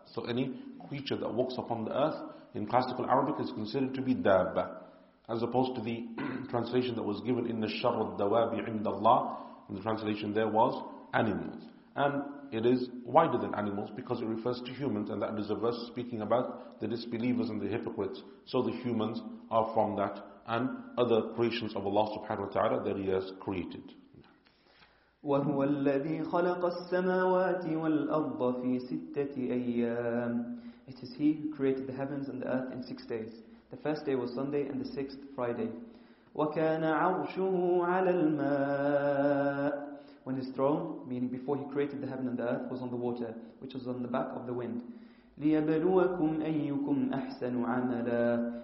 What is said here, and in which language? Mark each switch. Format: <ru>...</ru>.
<en>So any creature that walks upon the earth in classical Arabic is considered to be dabba, as opposed to the translation that was given in the Sharh al-Dawabi indallah. And the translation there was animals. And it is wider than animals because it refers to humans, and that is a verse speaking about the disbelievers and the hypocrites. So the humans are from that, and other creations of Allah subhanahu wa ta'ala that He has created.</en> <ar>وهو الذي خلق السماوات والأرض في ستة أيام.</ar> <en>It is He who created the heavens and the earth in 6 days. The first day was Sunday and the sixth Friday.</en> <ar>وكان عرشه على الماء.</ar> <en>When His throne, meaning before He created the heaven and the earth, was on the water, which was on the back of the wind.</en> <ar>ليبلوكم أيكم أحسن عملا.</ar>